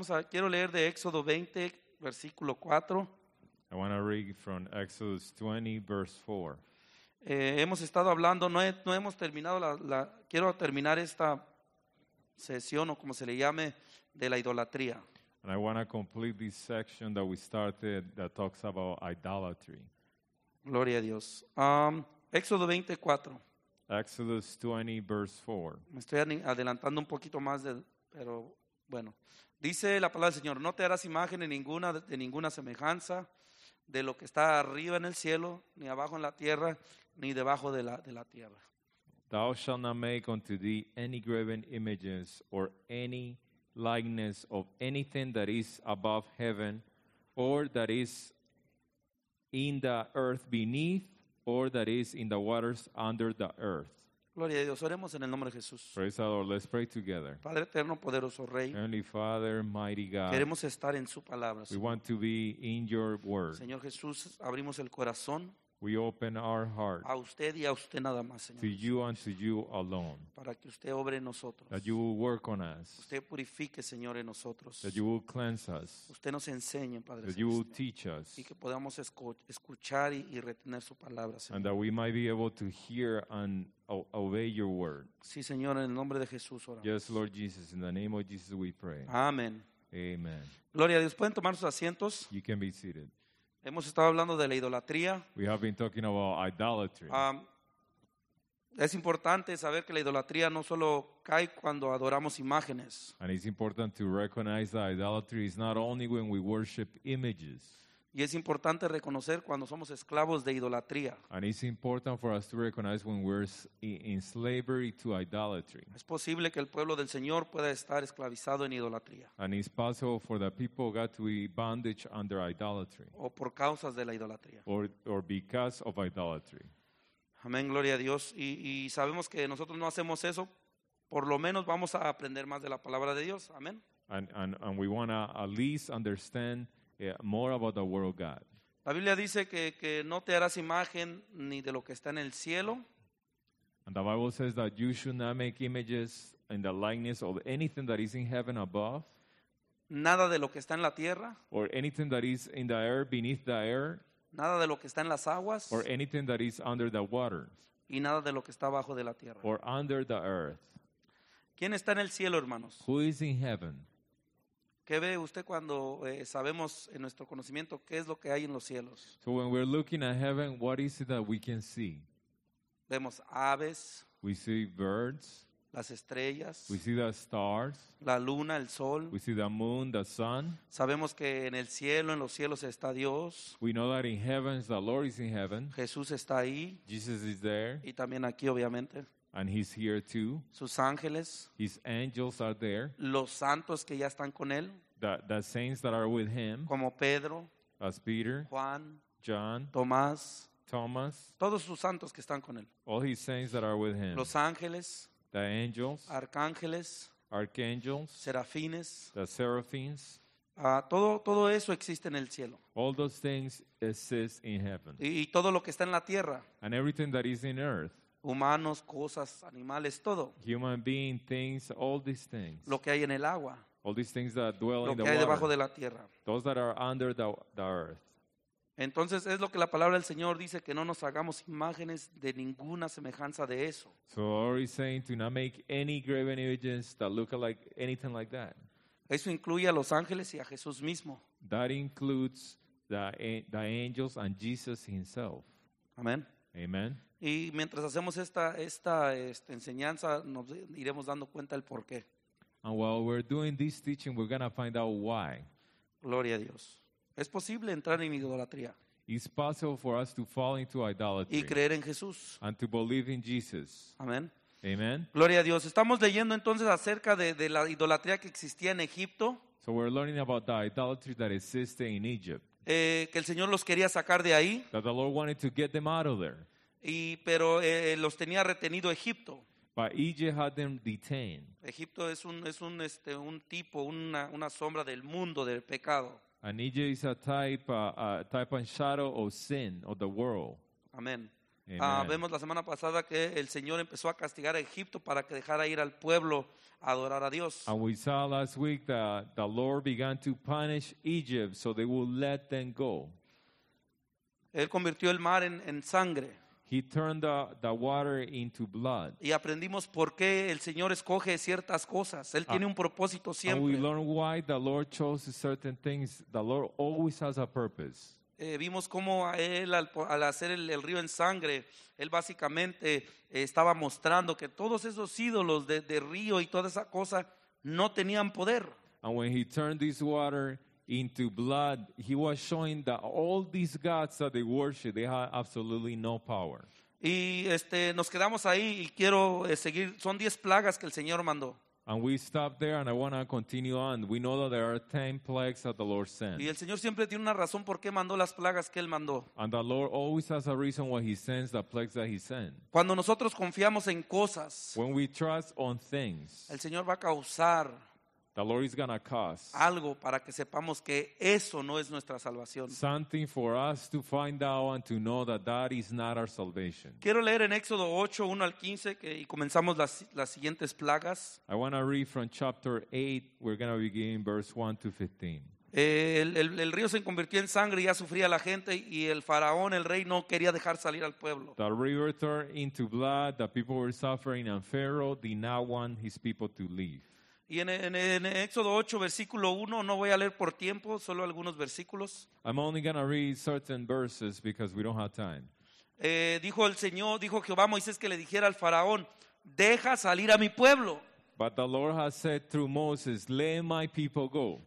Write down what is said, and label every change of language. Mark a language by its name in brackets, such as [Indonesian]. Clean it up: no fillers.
[Spanish] Quiero leer de Éxodo 20, versículo 4. [English] I want to read from Exodus 20, verse 4. [Spanish] Hemos estado hablando, no hemos terminado quiero terminar esta sesión o como se le llame, de la idolatría. [English] And I want to complete this section that we started that talks about idolatry. [Spanish] Gloria a Dios. Éxodo 24. [English] Exodus 20, verse 4. [Spanish] Me estoy adelantando un poquito más, pero bueno. Dice la palabra del Señor, no te harás imagen de ninguna semejanza de lo que está arriba en el cielo, ni abajo en la tierra, ni debajo de la tierra. [English] Thou shalt not make unto thee any graven images or any likeness of anything that is above heaven or that is in the earth beneath or that is in the waters under the earth. [Spanish] Gloria a Dios, oremos en el nombre de Jesús. [English] Praise the Lord, let's pray together. [Spanish] Padre eterno, poderoso Rey. [English] Heavenly Father, mighty God. [Spanish] Queremos estar en su palabra. [English] We want to be in your word. [Spanish] Señor Jesús, abrimos el corazón. [English] We open our heart. [Spanish] A usted y a usted nada más, Señor. [English] To you and to you alone. [Spanish] Para que usted obre en nosotros. [English] That you will work on us. [Spanish] Usted purifique, Señor, en nosotros. [English] That you will cleanse us. [Spanish] Usted nos enseñe, Padre. [English] That you will teach us. [Spanish] Y que podamos escuchar y retener su palabra, Señor. [English] And that we might be able to hear and obey your word. [Spanish] Sí, Señor, en el nombre de Jesús oramos. [English] Yes, Lord Jesus, in the name of Jesus we pray. [Spanish] Amen. [English] Amen. [Spanish] Gloria a Dios. ¿Pueden tomar sus asientos? [English] You can be seated. [Spanish] Hemos estado hablando de la idolatría. [English] We have been talking about idolatry. [Spanish] Es importante saber que la idolatría no solo cae cuando adoramos imágenes. [English] And it's important to recognize that idolatry is not only when we worship images. [Spanish] Y es importante reconocer cuando somos esclavos de idolatría. [English] And it's important for us to recognize when we're in slavery to idolatry. [Spanish] Es posible que el pueblo del Señor pueda estar esclavizado en idolatría. [English] And it's possible for the people of God to be bondage under idolatry. [Spanish] O por causas de la idolatría. [English] Or because of idolatry. [Spanish] Amén, gloria a Dios. Y sabemos que nosotros no hacemos eso, por lo menos vamos a aprender más de la palabra de Dios. Amén. [English] And we want to at least understand more about the word of God. [Spanish] La Biblia dice que no te harás imagen ni de lo que está en el cielo. [English] And the Bible says that you should not make images in the likeness of anything that is in heaven above. [Spanish] Nada de lo que está en la tierra. [English] Or anything that is in the air, beneath the air. [Spanish] Nada de lo que está en las aguas. [English] Or anything that is under the water. [Spanish] Y nada de lo que está bajo de la tierra. [English] Or under the earth. [Spanish] ¿Quién está en el cielo, hermanos? [English] Who is in heaven? [Spanish] ¿Qué ve usted cuando sabemos en nuestro conocimiento qué es lo que hay en los cielos? [English] So when we're looking at heaven, what is it that we can see? [Spanish] Vemos aves. [English] We see birds. [Spanish] Las estrellas. [English] We see the stars. [Spanish] La luna, el sol. [English] We see the moon, the sun. [Spanish] Sabemos que en el cielo, en los cielos está Dios. [English] We know that in heaven, the Lord is in heaven. [Spanish] Jesús está ahí. [English] Jesus is there. [Spanish] Y también aquí, obviamente. [English] And he's here too. [Spanish] Sus ángeles. [English] His angels are there. [Spanish] Los santos que ya están con él. [English] The saints that are with him. [Spanish] Como Pedro. [English] As Peter. [Spanish] Juan. [English] John. [Spanish] Tomás. [English] Thomas. [Spanish] Todos sus santos que están con él. [English] All his saints that are with him. [Spanish] Los ángeles. [English] The angels. [Spanish] Arcángeles. [English] Archangels. [Spanish] Serafines. [English] The seraphims. [Spanish] Todo eso existe en el cielo. [English] All those things exist in heaven. [Spanish] Y todo lo que está en la tierra. [English] And everything that is in earth. [Spanish] Humanos, cosas, animales, todo. [English] Human being, things, all these things. [Spanish] Lo que hay en el agua. [English] All these things that dwell in the water. [Spanish] Lo que hay debajo de la tierra. [English] Those that are under the earth. [Spanish] Entonces es lo que la palabra del Señor dice, que no nos hagamos imágenes de ninguna semejanza de eso. [English] So the Lord is saying to not make any graven images that look like anything like that. [Spanish] Eso incluye a los ángeles y a Jesús mismo. [English] That includes the angels and Jesus himself. [Spanish] Amen. [English] Amen. [Spanish] Y mientras hacemos esta enseñanza, nos iremos dando cuenta del por qué. [English] And while we're doing this teaching, we're going to find out why. [Spanish] Gloria a Dios. Es posible entrar en idolatría. [English] It's possible for us to fall into idolatry. [Spanish] Y creer en Jesús. [English] And to believe in Jesus. [Spanish] Amén. [English] Amen. [Spanish] Gloria a Dios. Estamos leyendo entonces acerca de la idolatría que existía en Egipto. [English] So we're learning about the idolatry that existed in Egypt. [Spanish] Que el Señor los quería sacar de ahí. [English] That the Lord wanted to get them out of there. [Spanish] Pero los tenía retenido Egipto. [English] But Egypt had them detained. [Spanish] Egipto es un tipo, una sombra del mundo, del pecado. [English] And Egypt is a type and shadow of sin, of the world. Amen. [Spanish] Vemos la semana pasada que el Señor empezó a castigar a Egipto para que dejara ir al pueblo a adorar a Dios. [English] And we saw last week that the Lord began to punish Egypt so they would let them go. [Spanish] Él convirtió el mar en sangre. [English] He turned the water into blood. [Spanish] Y aprendimos por qué el Señor escoge ciertas cosas. Él tiene un propósito siempre. [English] And we learned why the Lord chose certain things. The Lord always has a purpose. [Spanish] Vimos cómo a él, al hacer el río en sangre, él básicamente estaba mostrando que todos esos ídolos de río y toda esa cosa no tenían poder. [English] And when he turned this water into blood, he was showing that all these gods that they worship, they had absolutely no power. [Spanish] Y nos quedamos ahí y quiero seguir. Son 10 plagas que el Señor mandó. [English] And we stop there, and I want to continue on. We know that there are 10 plagues that the Lord sent. [Spanish] Y el Señor siempre tiene una razón por qué mandó las plagas que él mandó. [English] And the Lord always has a reason why he sends the plagues that he sent. [Spanish] Cuando nosotros confiamos en cosas, [English] when we trust on things, [Spanish] el Señor va a causar, [English] the Lord is going to cause, [Spanish] algo para que sepamos que eso no es nuestra salvación. [English] Something for us to find out and to know that that is not our salvation. [Spanish] Quiero leer en Éxodo 8, 1 al 15, y comenzamos las siguientes plagas. [English] I want to read from chapter 8. We're going to begin verse 1 to 15. [Spanish] El río se convirtió en sangre y ya sufría la gente y el faraón, el rey, no quería dejar salir al pueblo. [English] The river turned into blood, the people were suffering, and Pharaoh did not want his people to leave. [Spanish] Y en Éxodo 8, versículo 1, no voy a leer por tiempo, solo algunos versículos. [English] I'm only going to read certain verses because we don't have time. [Spanish] Dijo el Señor, dijo Jehová a Moisés que le dijera al faraón, deja salir a mi pueblo. [English] But the Lord has said through Moses, let my people go.